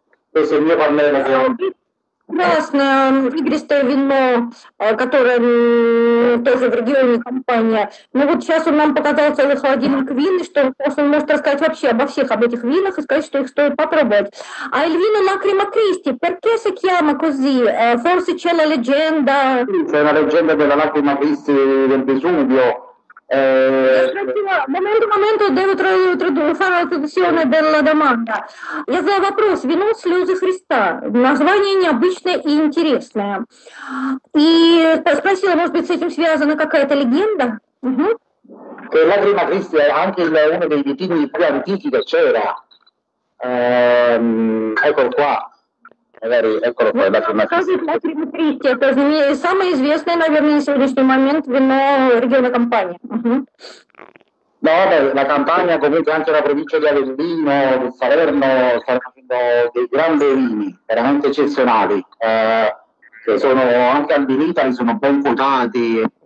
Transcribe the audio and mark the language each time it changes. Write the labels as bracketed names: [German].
[Italian] Questo è il mio pannello che [Russian] Красное игристое вино, которое тоже в регионе Кампания. Но вот сейчас он нам показал целый холодильник вин, и что он может рассказать вообще обо всех об этих винах и сказать, что их стоит попробовать. [Italian] А il vino Lacrima Christi, perché si chiama così? Forse c'è la leggenda. c'è una leggenda della lacrima Christi del Vesuvio. Моменту, devo fare la traduzione della domanda. [Russian] Я задаю вопрос. Вино «Слезы Христа». Название необычное и интересное. И спросила, может быть, с этим связана какая-то легенда? [Italian] Che Lacrima Christi è anche uno dei vitigni più antichi che c'era. Ecco qua. Magari, eccolo qua, [Russian] Вот [Italian] Lacrima Christi. [Russian] показывает «Лакрима Кристи». Это самое известное, наверное, на сегодняшний момент вино региона Кампании. [Italian] No, vabbè, la Campania, comunque anche la provincia di Avellino, di Salerno, stanno facendo dei grandi vini, veramente eccezionali, che sono anche all'Italia, sono ben quotati.